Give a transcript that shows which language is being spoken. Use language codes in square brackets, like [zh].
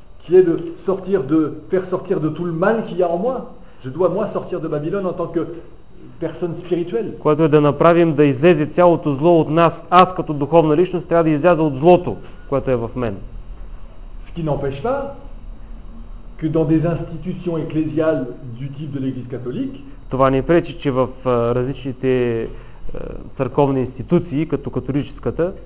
[fr] qui est de sortir de faire sortir de tout le mal qu'il y a en moi. Je dois moi sortir de Babylone en tant que personne spirituelle. [bg] Което е да направим да излезе цялото зло от нас. Аз като духовна личност трябва да изляза от злото, което е в мен. [fr] Ce qui n'empêche pas que dans des institutions ecclésiales du type de l'église catholique, [bg] това не пречи, че в различните църковни институции, като католическата